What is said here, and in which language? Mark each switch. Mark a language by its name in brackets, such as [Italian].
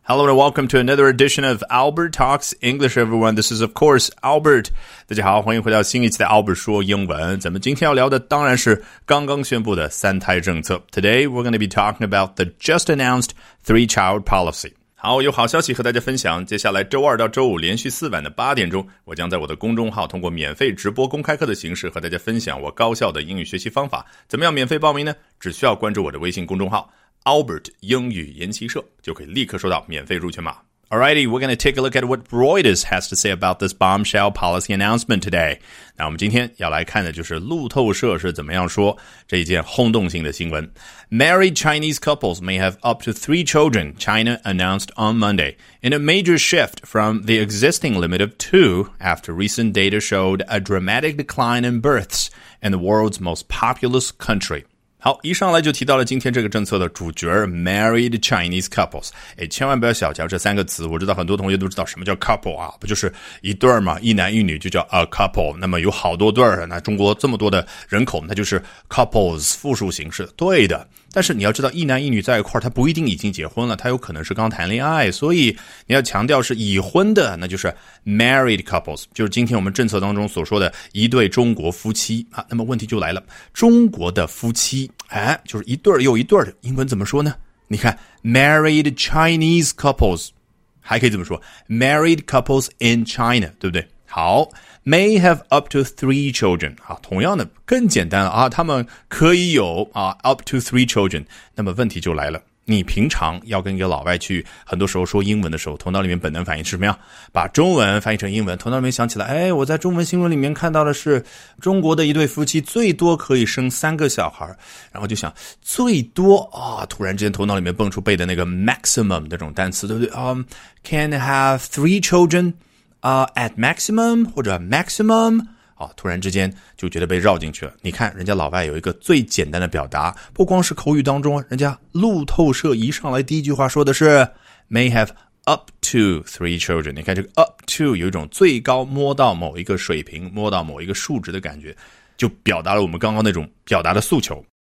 [English] Hello and welcome to another edition of Albert Talks English, everyone. This is, of course, Albert. [Chinese] 大家好，欢迎回到新一期的 Albert 说英文。咱们今天要聊的当然是刚刚宣布的三胎政策。 [English] Today, we're going to be talking about the just announced three-child policy. [Chinese] 好，有好消息和大家分享。接下来周二到周五连续四晚的八点钟，我将在我的公众号通过免费直播公开课的形式和大家分享我高效的英语学习方法。怎么样免费报名呢？只需要关注我的微信公众号 Albert 英语研习社，就可以立刻收到免费入群码。 [English] Alrighty, we're going to take a look at what Reuters has to say about this bombshell policy announcement today. [Chinese] 那我们今天要来看的就是路透社是怎么样说这一件轰动性的新闻。 [English] Married Chinese couples may have up to three children, China announced on Monday, in a major shift from the existing limit of two after recent data showed a dramatic decline in births in the world's most populous country. [Chinese] 好，一上来就提到了今天这个政策的主角 Married Chinese Couples。哎，千万不要小瞧这三个词，我知道很多同学都知道什么叫 couple 啊，不就是一对嘛，一男一女就叫 a couple。那么有好多对，那中国这么多的人口，那就是 couples 复数形式，对的。但是你要知道一男一女在一块他不一定已经结婚了，他有可能是刚谈恋爱，所以你要强调是已婚的，那就是 married couples, 就是今天我们政策当中所说的一对中国夫妻啊。那么问题就来了，中国的夫妻哎，就是一对又一对的英文怎么说呢？你看 married Chinese couples, 还可以怎么说 [English] married couples in China, [Chinese] 对不对？好， [English] May have up to three children. [Chinese] 啊，同样的更简单了啊，他们可以有啊 [English] up to three children. [Chinese] 那么问题就来了，你平常要跟一个老外去，很多时候说英文的时候，头脑里面本能反应是什么样？把中文翻译成英文，头脑里面想起来，哎，我在中文新闻里面看到的是中国的一对夫妻最多可以生三个小孩，然后就想最多啊，突然之间头脑里面蹦出背的那个 maximum 这种单词，对不对？ [English] can have three children. [Chinese] At maximum, 或者 maximum, 好，突然之间就觉得被绕进去了。你看人家老外有一个最简单的表达，不光是口语当中，人家路透社一上来第一句话说的是 [English] may have up to three children, [Chinese] 你看这个 up to 有一种最高摸到某一个水平，摸到某一个数值的感觉，就表达了我们刚刚那种表达的诉求。